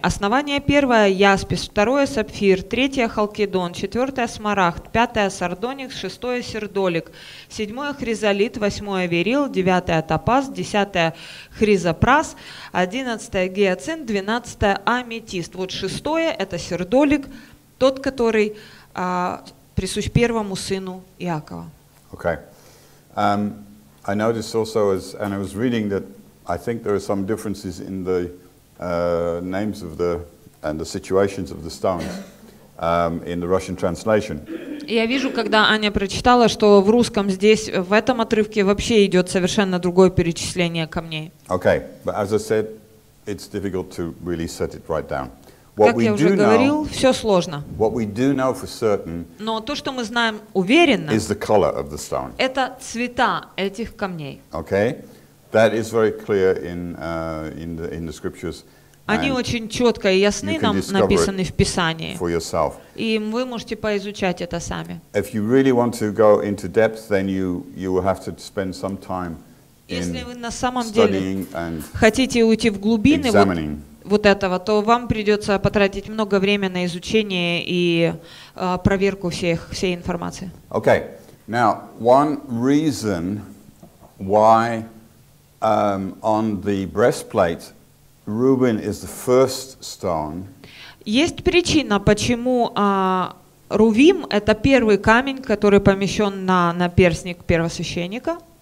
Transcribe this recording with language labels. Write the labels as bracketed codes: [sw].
[ru] Основание первое — яспис, второе — сапфир, третье — халкидон, четвертое — смарагд, пятое — сардоникс, шестое — сердолик, седьмое — хризолит, восьмое — верил, девятое — топаз, десятое — хризопрас, одиннадцатое — гиацинт, двенадцатое — аметист. Вот шестое — это сердолик, тот, который присущ первому сыну Иакова. [en] Okay. I noticed also, as and I was reading, that I think there are some differences in the names of the and the situations of the stones in the Russian translation. [ru] Я вижу, когда Аня прочитала, что в русском здесь в этом отрывке вообще идет совершенно другое перечисление камней. [en] Okay, but as I said, it's difficult to really set it right down. What [ru] как [en] we [ru] я уже [en] do [ru] говорил, [en] know, [ru] все сложно. [en] What we do know for certain, [ru] но то, что мы знаем уверенно, [en] is the color of the stone. [ru] Это цвета этих камней. [en] Okay, that is very clear in the scriptures. [ru] Они очень четко и ясны нам написаны в Писании. [en] For yourself. [ru] И вы можете поизучать это сами. [en] If you really want to go into depth, then you will have to spend some time in studying and [ru] хотите уйти в глубины, [en] examining. [ru] Вот этого, то вам придется потратить много времени на изучение и проверку всей информации. [en] Okay. Now, one reason why on the breastplate Reuben is the first stone. [ru] Есть причина, почему Рувим это первый камень, который помещен на перстник первосвященника.